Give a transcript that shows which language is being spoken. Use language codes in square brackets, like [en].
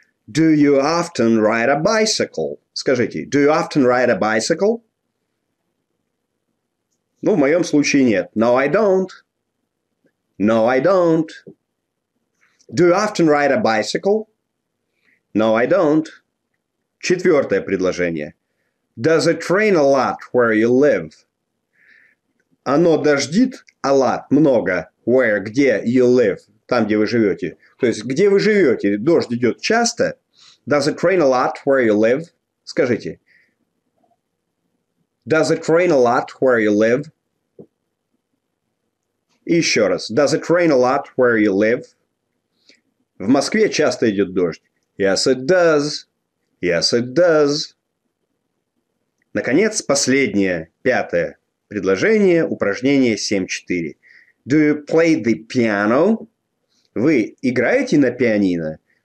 [en] Do you often ride a bicycle? [ru] Скажите, [en] do you often ride a bicycle? [ru] Ну, в моем случае нет. [en] No, I don't. No, I don't. Do you often ride a bicycle? No, I don't. [ru] Четвертое предложение. [en] Does it rain a lot where you live? [ru] Оно дождит [en] a lot, [ru] много, [en] where, [ru] где [en] you live, [ru] там, где вы живете. То есть, где вы живете, дождь идет часто. [en] Does it rain a lot where you live? [ru] Скажите. [en] Does it rain a lot where you live? [ru] И еще раз. [en] Does it rain a lot where you live? [ru] В Москве часто идет дождь. [en] Yes, it does. Yes, it does. [ru] Наконец, последнее, пятое. Предложение, упражнение 7.4. [en] Do you play the piano? [ru] Вы играете на пианино?